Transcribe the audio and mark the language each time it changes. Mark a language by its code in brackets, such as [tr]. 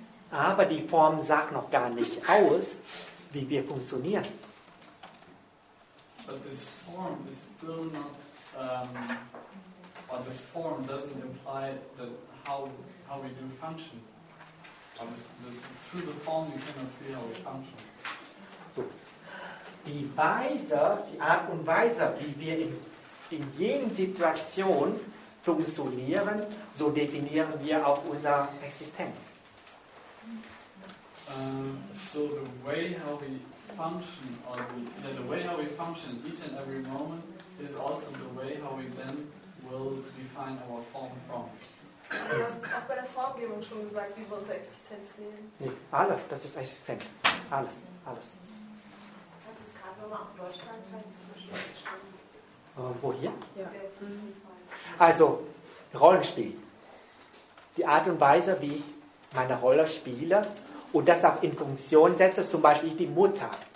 [de] Aber die Form sagt noch gar nicht aus, wie wir funktionieren. [en] But this form is still not or this form doesn't imply that how we do function. Through the form you cannot see how we function. [de] Die Weise, die Art und Weise, wie wir in jeder Situation funktionieren, so definieren wir auch unser Existenz. [en] So the way how we function, or the way how we function each and every moment is also the way how we then will define our form from. [de] Du hast auch bei der Formgebung schon gesagt, wie wir unsere Existenz sehen. Nee, alle, das ist Existenz. Alles. Kannst du es gerade nochmal auf Deutschland halten? Wo hier? Ja. Also, Rollenspiel. Die Art und Weise, wie ich meine Rolle spiele und das auch in Funktion setze, zum Beispiel die Mutter.